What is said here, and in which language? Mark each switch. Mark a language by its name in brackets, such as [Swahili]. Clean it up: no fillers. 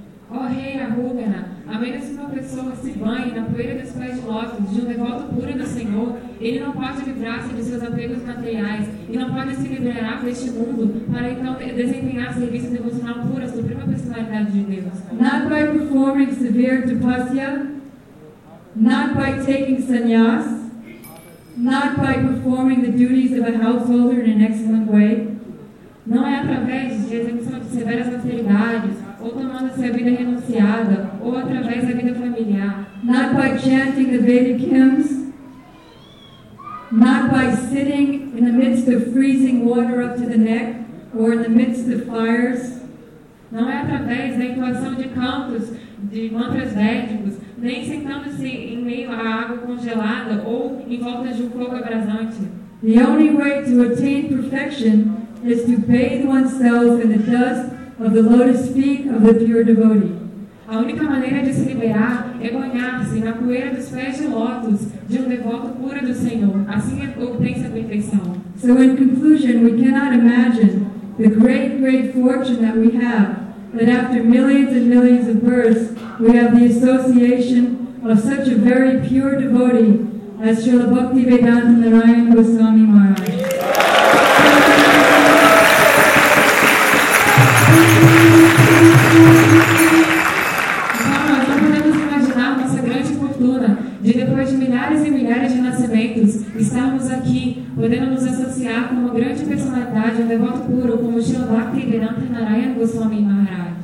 [Portuguese] Oh, rei Arugana, a menos que uma pessoa se banhe na poeira dos pés de lótus de um devoto puro do Senhor, ele não pode livrar-se de seus apegos materiais e não pode se liberar deste mundo para então desempenhar serviço devocional puro à suprema personalidade de Deus. [English] Not by performing severe tapasya, not by taking sannyas, not by performing the duties of a householder in an excellent way. [Portuguese] Não é através de execução de severas austeridades, ou tomando-se a vida renunciada, ou através da vida familiar. [English] Not by chanting the Vedic hymns, not by sitting in the midst of freezing water up to the neck, or in the midst of fires. [Portuguese] Não é através da intuação de cantos, de mantras védicos, nem sentando-se em meio à água congelada, ou em volta de fogo abrasante. [English] The only way to attain perfection is to bathe oneself in the dust of the lotus feet of the pure devotee. [Portuguese] A única maneira de se liberar é banhar-se na poeira dos pés de lótus de um devoto puro do Senhor. Assim obtém-se a perfeição. [English] So in conclusion, we cannot imagine the great, great fortune that we have, that after millions and millions of births, we have the association of such a very pure devotee as Srila Bhaktivedanta Narayana Goswami Maharaj. [Portuguese] Então, nós não podemos imaginar a nossa grande de depois de milhares e milhares de nascimentos, estarmos aqui, podendo nos associar com uma grande personalidade, um devoto puro, como Shri Bhakti Vedanta Narayana Goswami Maharaj.